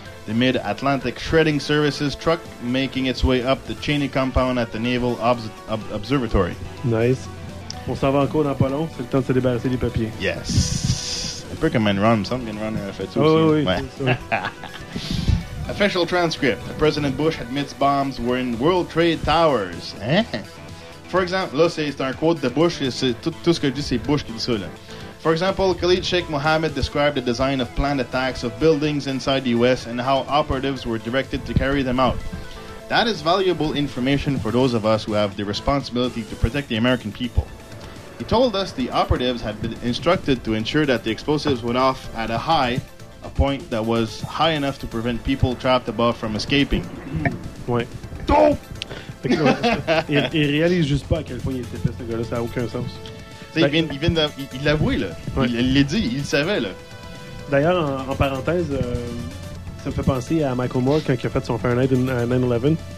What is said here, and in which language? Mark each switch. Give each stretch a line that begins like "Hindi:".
English: The Mid-Atlantic Shredding Services truck making its way up the Cheney compound at the Naval Observatory. Nice.
French: On s'en va encore dans pas long, c'est le temps de se débarrasser des papiers.
English: Yes.
French: Un peu comme Enron, something Enron a fait aussi. Oui, oui,
English: ouais. Official transcript. President Bush admits bombs were in World Trade Towers. For example,
French: là c'est un quote de Bush, tout ce que je dis c'est Bush qui dit ça là.
English: For example, Khalid Sheikh Mohammed described the design of planned attacks of buildings inside the U.S. and how operatives were directed to carry them out. That is valuable information for those of us who have the responsibility to protect the American people. He told us the operatives had been instructed to ensure that the explosives went off at a point that was high enough to prevent people trapped above from escaping.
French: Ouais.
English: Dope!
French: Il réalise juste pas à quel point il était fait ce gars-là, ça a aucun sens. Il l'a avoué, là. Ouais. Il l'a dit, il le savait, là. D'ailleurs, en parenthèse, ça me fait penser à Michael Moore quand il a fait son Fahrenheit 9/11.